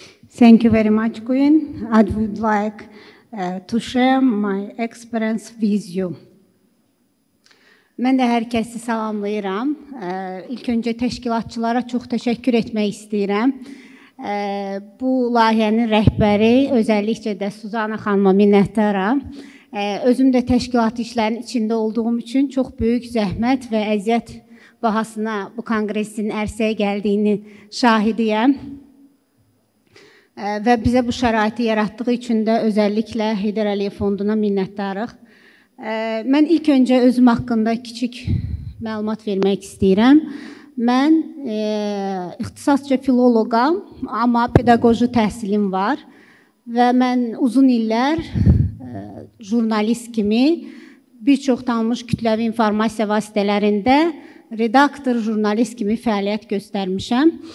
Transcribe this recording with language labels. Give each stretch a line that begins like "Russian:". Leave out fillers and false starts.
English: Thank you very much, Queen. I would like to share my experience with you.
Turkish: Ben de herkesi selamlıyorum. İlk önce teşkilatçılara çok teşekkür etmek istiyorum.
Azerbaijani: Bu layihənin rəhbəri,
Turkish: özellikle de
Azerbaijani: Suzana xanıma minnətdaram.
Turkish: Özüm de teşkilat işlerinin içinde olduğum için çok büyük zähmet ve əziyyət bahasına bu kongresin ərsəyə geldiğini şahidiyəm.
Azerbaijani: Və bizə bu şəraiti yaratdığı üçün də özəlliklə Heydər Əliyev fonduna minnətdarıq. Mən ilk öncə özüm haqqında kiçik məlumat vermək istəyirəm. Mən ixtisasca filologam, amma pedagoji təhsilim var və mən uzun illər jurnalist kimi bir çox tanınmış kütləvi informasiya vasitələrində redaktor jurnalist kimi fəaliyyət göstərmişəm.